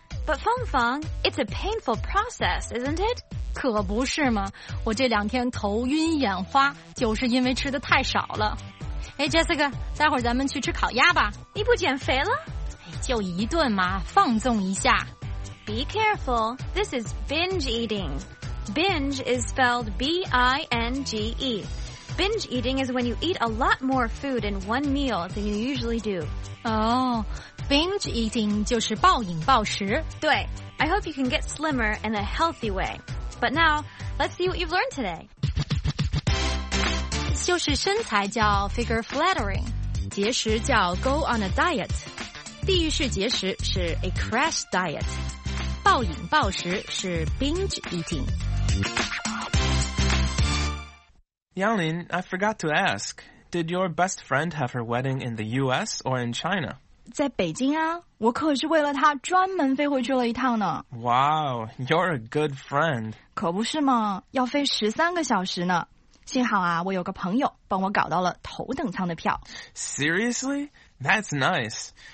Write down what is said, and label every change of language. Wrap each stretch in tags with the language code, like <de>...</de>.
<en>But Feng Feng, it's a painful process, isn't it?</en> <zh>可不是嘛，我这两天头晕眼花，就是因为吃的太少了。哎 ,Jessica, 待会儿咱们去吃烤鸭吧。你不减肥了？哎，就一顿嘛，放纵一下。</zh> <en>Be careful, this is binge eating. Binge is spelled B-I-N-G-E. Binge eating is when you eat a lot more food in one meal than you usually do.</en> <zh>Oh, binge eating 就是暴饮暴食。</zh> <en>对 ,I hope you can get slimmer in a healthy way. But now, let's see what you've learned today.</en> <zh>就是身材叫 figure flattering, 节食叫 go on a diet, 地狱式节食是 a crash diet. 暴饮暴食是 binge eating.</zh> <en>Yanlin, I forgot to ask. Did your best friend have her wedding in the U.S. or in China?</en> <zh>在北京啊，我可是为了她专门飞回去了一趟呢。</zh> <en>Wow, you're a good friend.</en> <zh>可不是嘛，要飞13个小时呢。幸好啊，我有个朋友帮我搞到了头等舱的票。</zh> <en>Seriously? That's nice.</en>